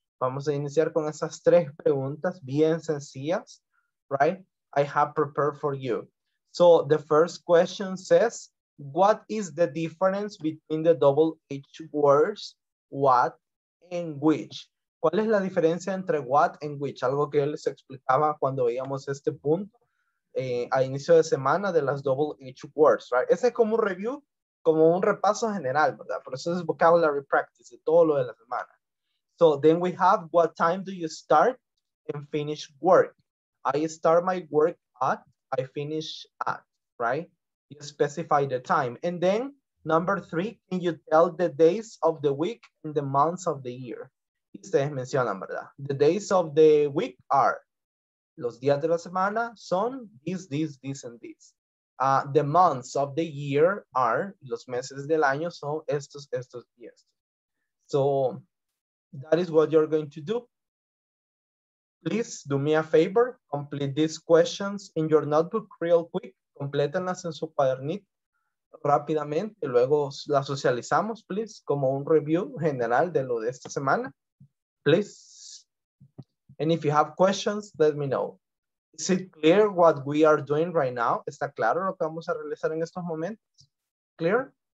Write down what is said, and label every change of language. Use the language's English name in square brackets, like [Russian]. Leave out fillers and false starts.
[Spanish] Vamos a iniciar con esas tres preguntas bien sencillas, right? [English] I have prepared for you. So, the first question says, what is the difference between the double H words, what and which? [Spanish] ¿Cuál es la diferencia entre what and which? Algo que yo les explicaba cuando veíamos este punto a inicio de semana de las double H words, right? Ese es como un review, como un repaso general, ¿verdad? Pero eso es vocabulary practice de todo lo de la semana. [English] So then we have what time do you start and finish work? I start my work at, I finish at, right? You specify the time. And then number three, can you tell the days of the week and the months of the year? [Spanish] Ustedes mencionan, ¿verdad? [English] The days of the week are, [Spanish] los días de la semana son [English] this, this, this, and this. The months of the year are, [Spanish] los meses del año son estos, estos, y estos. [English] So, that is what you're going to do. Please, do me a favor, complete these questions in your notebook real quick. [Spanish] Complétenlas en su cuadernito rápidamente. Luego las socializamos, please, como un review general de lo de esta semana. [English] Please, and if you have questions, let me know. Is it clear what we are doing right now? [Spanish] ¿Está claro lo que vamos a realizar en estos momentos? Clear?